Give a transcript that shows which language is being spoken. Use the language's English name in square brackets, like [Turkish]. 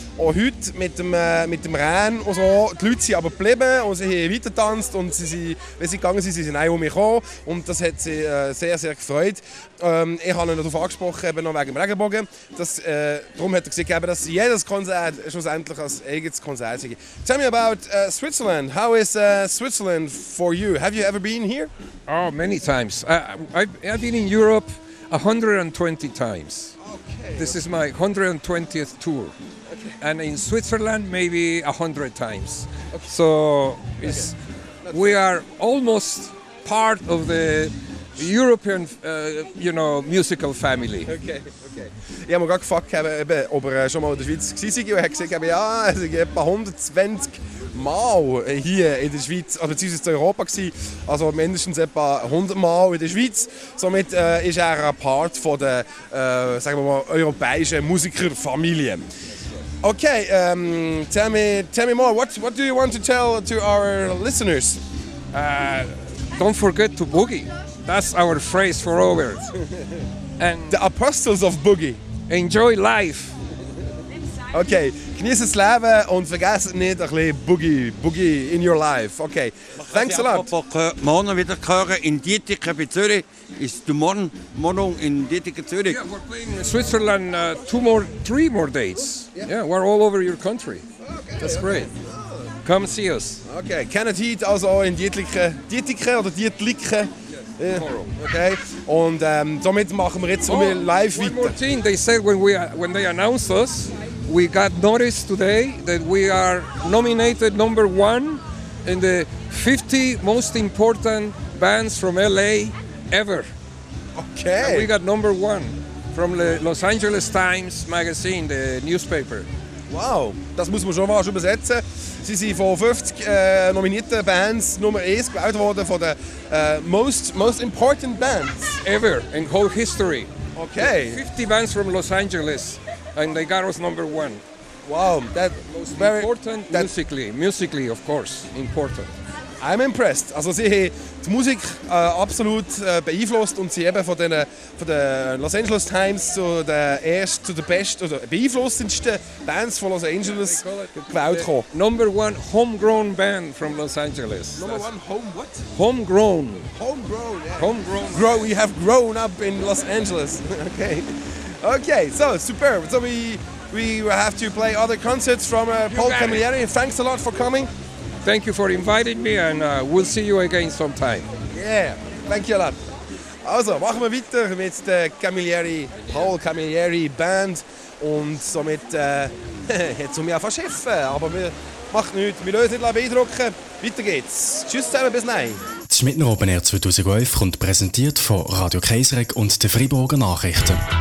[German] Auch heute mit dem Rennen und so, die Leute sind aber geblieben und sie haben weiter getanzt und sie sind auch um mich gekommen und das hat sie sehr, sehr gefreut. Ich habe ihn darauf angesprochen, eben noch wegen dem Regenbogen. Darum hat er gesehen, dass jedes Konzert schlussendlich ein eigenes Konzert sei. [English] Tell me about Switzerland. How is Switzerland for you? Have you ever been here? Oh, many times. I've been in Europe 120 times. Okay. This is my 120th tour. And in Switzerland, maybe 100 times. Okay. So it's, we are almost part of the European, you know, musical family. Okay. [German] Ich habe mir gerade gefragt, ob er schon mal in der Schweiz war. Und ich habe gesagt, ja, es war etwa 120 Mal hier in der Schweiz, also beziehungsweise in Europa. Also mindestens etwa 100 Mal in der Schweiz. Somit ist er ein Part von der, sagen wir mal, europäischen Musikerfamilie. [English] Okay, tell me more. What do you want to tell to our listeners? Don't forget to boogie. That's our phrase for over. And the apostles of boogie. Enjoy life. [German] Okay, genieß das Leben und vergesst nicht ein bisschen boogie [English] in your life. Okay, thanks a lot. [German] Morgen wieder hören in Dietike bei Zürich. Ist du morgen in Dietike Zürich? [English] Yeah, we're playing in Switzerland three more dates. Yeah, we're all over your country. Okay, that's great. Okay. Come see us. [German] Okay, Kenneth Heat also in Dietike oder Dietlike. Okay, und somit machen wir jetzt live [English] one [German] weiter. [English] One more thing, they said when they announced us, we got notice today that we are nominated number one in the 50 most important bands from LA ever. Okay. And we got number one from the Los Angeles Times magazine, the newspaper. [German] Wow, das muss man schon mal übersetzen. Sie sind von 50 nominierten Bands Nummer 1 gewählt worden von den [English] most important bands. Ever, in whole history. Okay. 50 bands from Los Angeles and they got us number one. Wow. Most very important that, musically. Musically, of course, important. I'm impressed. [German] Also sie haben die Musik absolut beeinflusst und sie eben von den Los Angeles Times zu den beeinflussendsten Bands von Los Angeles gewählt kommen. [English] Number one homegrown band from Los Angeles. Number one home what? Homegrown. Homegrown, yeah. Homegrown. We have grown up in Los Angeles. Okay, so superb. So we have to play other concerts from Paul Camilleri. Thanks a lot for coming. thank you for inviting me and we'll see you again sometime. Yeah, thank you a lot. [German] Also, machen wir weiter mit der Camilleri, Paul Camilleri Band und somit jetzt um ja fast schiffen, aber wir machen nichts, wir lösen nicht beeindrucken. Weiter geht's. Tschüss zusammen, bis nein. Das Schmidtner Open Air 2011 kommt präsentiert von Radio Kaiserreich und den Freiburger Nachrichten.